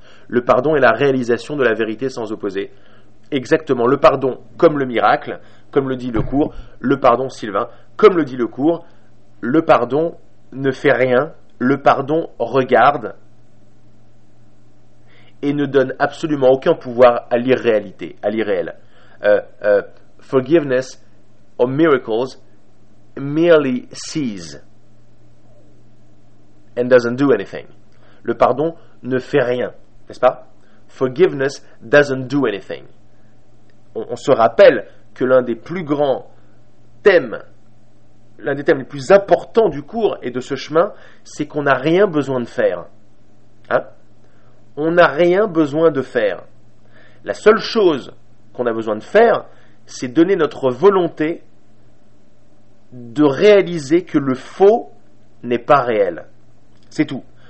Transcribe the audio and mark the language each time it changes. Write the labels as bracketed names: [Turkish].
[French] Le pardon est la réalisation de la vérité sans opposé. » Exactement, le pardon comme le miracle, comme le dit le cours, le pardon, Sylvain, comme le dit le cours, le pardon ne fait rien, le pardon regarde et ne donne absolument aucun pouvoir à l'irréalité, à l'irréel. [English] Forgiveness or miracles merely sees and doesn't do anything. [French] Le pardon ne fait rien, n'est-ce pas? [English] Forgiveness doesn't do anything. [French] On se rappelle que l'un des plus grands thèmes, l'un des thèmes les plus importants du cours et de ce chemin, c'est qu'on n'a rien besoin de faire. Hein? On n'a rien besoin de faire. La seule chose qu'on a besoin de faire, c'est donner notre volonté de réaliser que le faux n'est pas réel. C'est tout.